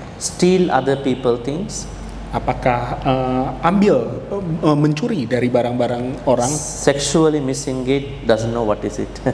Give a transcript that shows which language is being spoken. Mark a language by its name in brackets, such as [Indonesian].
[English] Steal other people things? [Indonesian] Apakah ambil, mencuri dari barang-barang orang? [English] Sexually misengaged, doesn't know what is it.